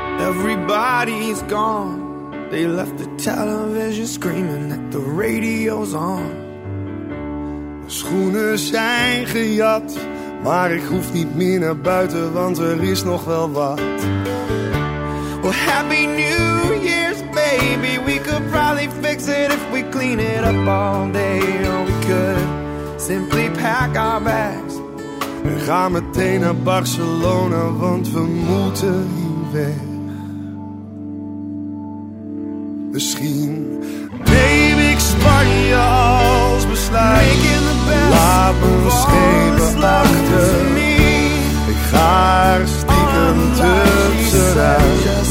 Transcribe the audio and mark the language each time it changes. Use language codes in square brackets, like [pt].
[en] Everybody's gone. They left the television screaming that the radio's on. [nl] Schoenen zijn gejat, maar ik hoef niet meer naar buiten, want er is nog wel wat. [en] Well, happy New Year's, baby. We could probably fix it if we clean it up all day. Or we could simply pack our bags. [nl] We gaan meteen naar Barcelona, want we moeten hier weg. Misschien neem ik Spanje als besluit. Laat me schepen achter. Ik ga er stiekem tussenuit.